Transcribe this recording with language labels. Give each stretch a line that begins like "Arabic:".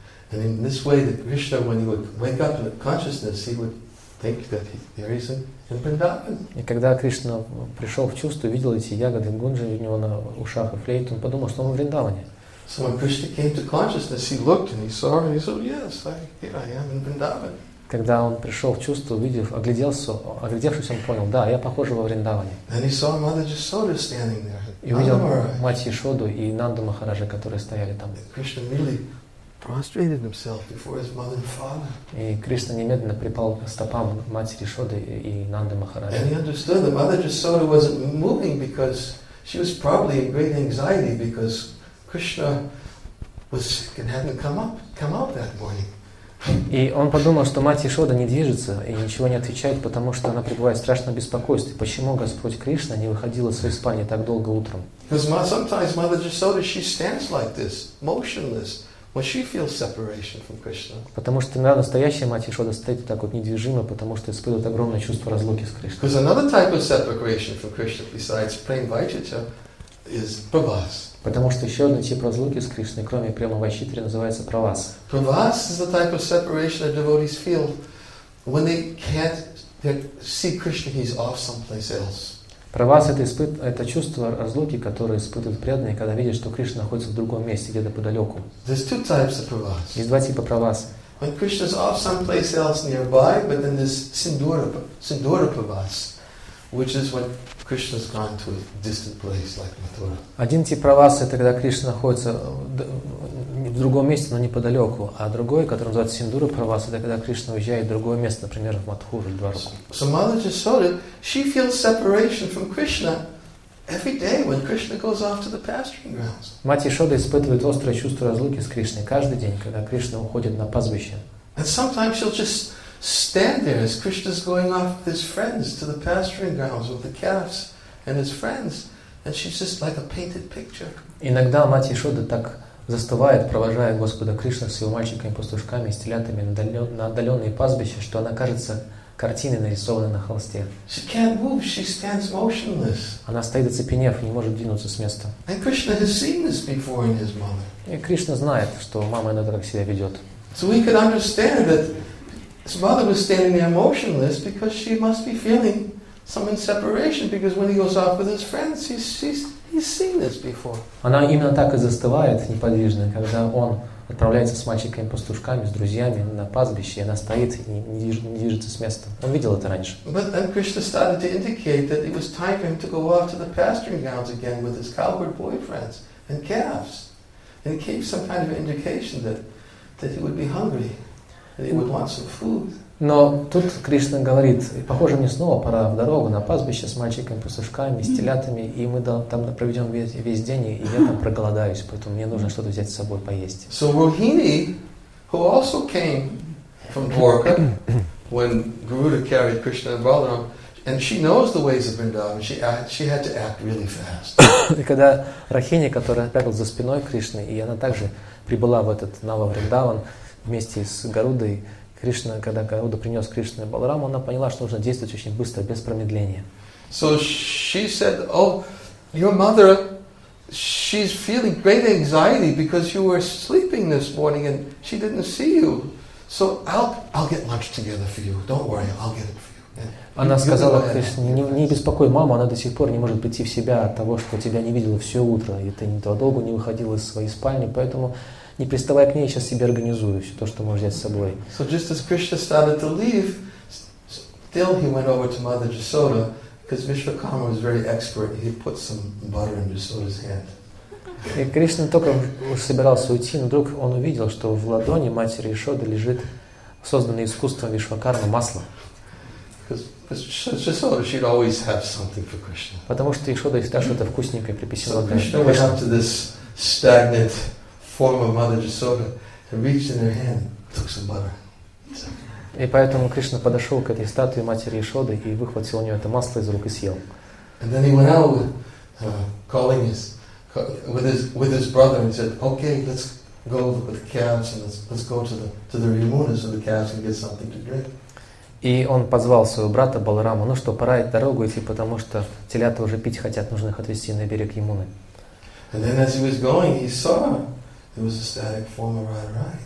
English: And in this way, that Krishna, when he would wake up to consciousness, he would think that there is in Vrindavan.
Russian: И когда Кришна пришел в чувство, видел эти ягоды кунжи у него на ушах и флейту, он подумал, что он в Вриндаване.
English: So when Krishna came to consciousness, he looked and he saw her and he said, "Yes, here I am in Vrindavan."
Russian: Когда он пришел в чувство, увидев, оглядевшись, он понял, да, я похож во Вриндаване.
English: And he saw Mother Yashoda standing there.
Russian: И увидел мать Ишоду и Нанду Махараджа, которые стояли там.
English: Krishna really prostrated himself before his mother and father.
Russian: И Кришна немедленно припал к стопам матери Ишоды и Нанды Махараджи.
English: And he understood that Mother Yashoda wasn't moving because she was probably in great anxiety because Krishna was sick and hadn't come out that morning.
Russian: И он подумал, что мать Ишода не движется и ничего не отвечает, потому что она пребывает в страшном беспокойстве. Почему Господь Кришна не выходил из своей спальни так долго утром?
English: Sometimes Mother Yashoda, she stands like this, motionless, when she feels separation from Krishna.
Russian: Потому что иногда настоящая мать Ишода стоит так вот недвижимо, потому что испытывает огромное чувство разлуки с Кришной.
English: Because another type of separation from Krishna besides plain vaichitya is pravas.
Russian: Потому что еще один тип разлуки с Кришной, кроме према вайчитри, называется правас.
English: Правас is the type of separation that devotees feel when they can't see Krishna, he's off someplace else.
Russian: Правас — это чувство разлуки, которое испытывают преданные, когда видят, что Кришна находится в другом месте, где-то подалеку.
English: There's two types of правас.
Russian: Есть два типа правас.
English: When Krishna's off someplace else nearby, but then there's sindura правас, which is when Krishna's gone to a distant place like Mathura.
Russian: Один тип правас — это когда Кришна находится в другом месте, но неподалеку. А другой, который называется Синдура Правас, это когда Кришна уезжает в другое место, например, в Матхуру, в Дварку.
English: So Mother Jasoda, she feels separation from Krishna every day when Krishna goes off to the pasturing grounds.
Russian: Мать Ишода испытывает острое чувство разлуки с Кришной каждый день, когда Кришна уходит на пастбище.
English: And sometimes she'll just stand there as Krishna's going off with his friends to the pasturing grounds with the calves and his friends, and she's just like a painted picture.
Russian: Иногда мать Ишода так застывает, провожая Господа Кришну с его мальчиками-пастушками и стелятами на отдаленные пастбища, что она кажется картиной, нарисованной на холсте.
English: She can't move, she stands motionless.
Russian: Она стоит оцепенев и не может двинуться с места.
English: And Krishna has seen this before in his mother.
Russian: И Кришна знает, что мама иногда так себя ведет.
English: So we could understand that his mother was standing there motionless because she must be feeling some separation, because when he goes off with his friends, he's seen this before.
Russian: Она именно так и застывает неподвижно, когда он отправляется с мальчиками-пастушками, с друзьями на пастбище, и она стоит и не движется с места. Он видел это раньше.
English: But then Krishna started to indicate that it was time for him to go off to the pasturing grounds again with his cowherd boyfriends and calves. And it gave some kind of indication that he would be hungry, that he would want some food.
Russian: Но тут Кришна говорит, похоже, мне снова пора в дорогу, на пастбище с мальчиками, пастушками, с телятами, и мы там проведем весь день, и я там проголодаюсь, поэтому мне нужно что-то взять с собой поесть.
English: So Rohini, who also came from Dwarka, when Garuda carried Krishna and Balaram, and she knows the ways of Vrindavan, she had to act really fast.
Russian: И когда Рахини, которая прятала за спиной Кришны, и она также прибыла в этот Нава Вриндаван вместе с Гарудой, Кришна, когда Гаруда принес Кришне Балараму, она поняла, что нужно действовать очень быстро, без промедления.
English: So she said, oh, your mother, she's feeling great anxiety because you were sleeping this morning and she didn't see you. So I'll get lunch together for you. Don't worry, I'll get it for you.
Russian: Она сказала Кришне, не беспокой маму, она до сих пор не может прийти в себя от того, что тебя не видела все утро, и ты долго не выходила из своей спальни, поэтому не приставай к ней, я сейчас себе организую все то, что можешь взять с собой.
English: So just as Krishna started to leave, still he went over to Mother Jasoda, because Vishwakarma was very expert, he put some butter in Jasoda's hand.
Russian: И Кришна только собирался уйти, но вдруг он увидел, что в ладони матери Ишоды лежит созданное искусством Вишвакармы масло.
English: Jasoda, she'd always have something for Krishna.
Russian: Потому что Ишода всегда что-то вкусненькое приписала.
English: So Krishna went up to this stagnant form of Mother Jasoda and reached in her hand, took some butter.
Russian: И поэтому Кришна подошел к этой статуе матери Ишоды и выхватил у нее это масло из рук и съел.
English: And then he went out with his brother and said, okay, let's go with the calves and let's go to the Yamuna so the calves can get something to drink.
Russian: И он позвал своего брата Балараму, ну что, пора идти дорогу идти, потому что телята уже пить хотят, нужно их отвезти на берег Ямуны.
English: And then as he was going, he saw it was a static form of Radharani.